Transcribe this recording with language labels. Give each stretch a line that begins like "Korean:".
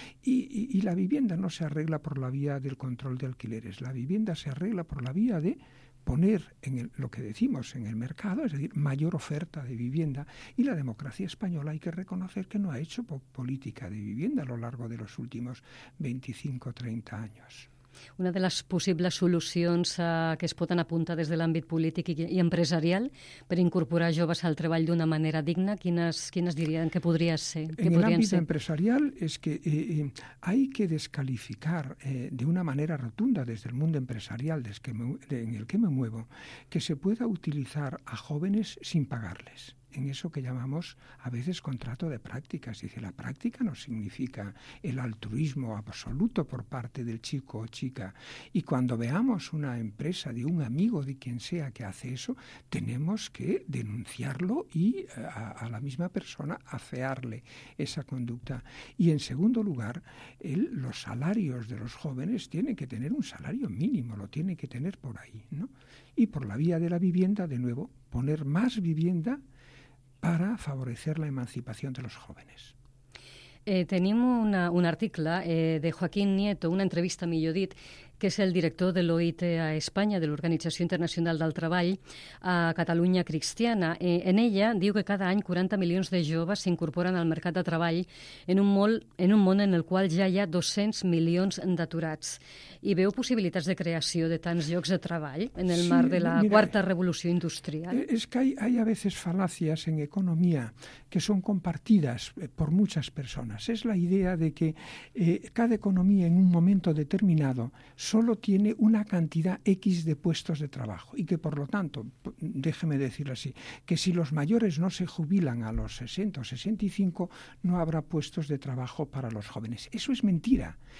Spanish: Y la vivienda no se arregla por la vía del control de alquileres. La vivienda se arregla por la vía de poner en el, lo que decimos, en el mercado, es decir, mayor oferta de vivienda. Y la democracia española hay que reconocer que no ha hecho política de vivienda a lo largo de los últimos 25 o 30 años.
Catalan: Una de les possibles solucions que es poden apuntar des de l'àmbit polític i empresarial per incorporar joves al treball d'una manera digna, quines dirien que podria ser? En l'àmbit empresarial és que
Spanish: hay que descalificar de una manera rotunda
Catalan: des del món empresarial en el que
Spanish: me muevo, que se pueda utilizar a jóvenes sin pagarles. En eso que llamamos a veces contrato de prácticas. Dice, la práctica no significa el altruismo absoluto por parte del chico o chica. Y cuando veamos una empresa de un amigo, de quien sea, que hace eso, tenemos que denunciarlo y a la misma persona afearle esa conducta. Y en segundo lugar, los salarios de los jóvenes tienen que tener un salario mínimo, lo tienen que tener por ahí, ¿no? Y por la vía de la vivienda, de nuevo, poner más vivienda para favorecer la emancipación de los jóvenes.
Catalan: Tenim un article de Joaquín Nieto, una entrevista, millor dit, que és el director de l'OIT a Espanya, de l'Organització Internacional del Treball, a Catalunya Cristiana. En ella diu que cada any 40 milions de joves s'incorporen al mercat de treball en un món en el qual ja hi ha 200 milions d'aturats. I veu possibilitats de creació de tants llocs de treball en el marc de la quarta revolució industrial? És que hi ha a vegades falàcies en economia que són compartides per moltes persones. És la idea de que cada economia en un moment determinat
Spanish: solo tiene una cantidad X de puestos de trabajo y que, por lo tanto, déjeme decirlo así, que si los mayores no se jubilan a los 60 o 65, no habrá puestos de trabajo para los jóvenes. Eso es mentira.